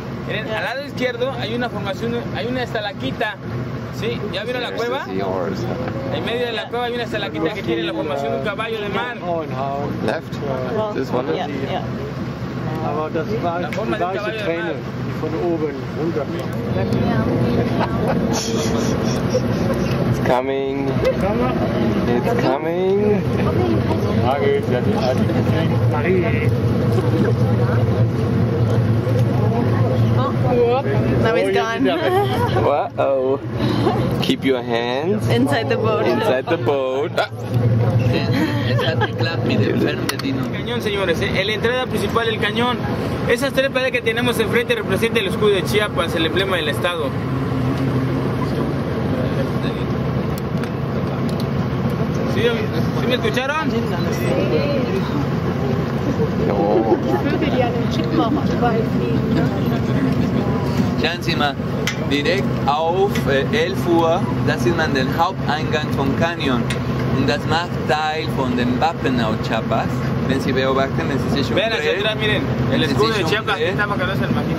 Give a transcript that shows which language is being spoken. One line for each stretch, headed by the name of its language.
Spanish: Miren, al lado izquierdo hay una formación, hay una estalaquita. ¿Sí? ¿Ya vieron la cueva? En medio de la cueva hay una estalaquita que tiene la formación de un caballo de mar.
English: Left? This one?
German: Aber das war die gleiche Träne von oben runter.
English: It's coming. It's coming. Now he's gone. Uh-oh. Keep your hands inside the boat. Inside the boat.
Spanish: Cañón, señores, la entrada principal del cañón. Esas tres paredes que tenemos enfrente representan el escudo de Chiapas, el emblema del estado. ¿Sí, ¿sí me escucharon?
German: Schauen Sie mal, direkt auf 11 Uhr, das sieht man den Haupteingang vom Canyon. Und das macht Teil von dem Wappen auf Chiapas. Wenn Sie beobachten, es ist schon
Spanish: Vean hacia atrás, miren, el escudo de Chiapas, está marcado el magín.